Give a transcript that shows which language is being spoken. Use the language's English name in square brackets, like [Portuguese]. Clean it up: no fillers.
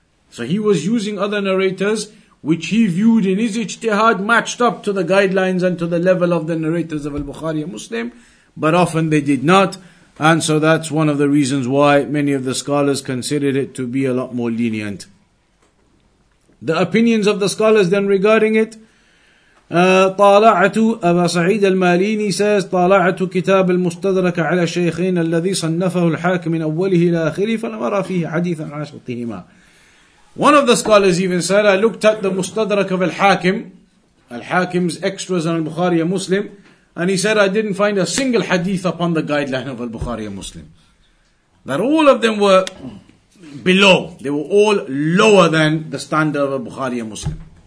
[English] So he was using other narrators, which he viewed in his ijtihad, matched up to the guidelines and to the level of the narrators of Al-Bukhari and Muslim, but often they did not. And so that's one of the reasons why many of the scholars considered it to be a lot more lenient. The opinions of the scholars then regarding it, [Arabic] طالعت أبا سعيد الماليني says طالعت كتاب المستدرك على الشيخين الذي صنفه الحاكم من أوله إلى آخره فلم أرى فيه حديثا عن شرطهما. [English] One of the scholars even said, I looked at the Mustadrak of Al-Hakim, Al-Hakim's extras on Al-Bukhari and Muslim, and he said, I didn't find a single hadith upon the guideline of Al-Bukhari and Muslim. That all of them were below, they were all lower than the standard of Al-Bukhari and Muslim.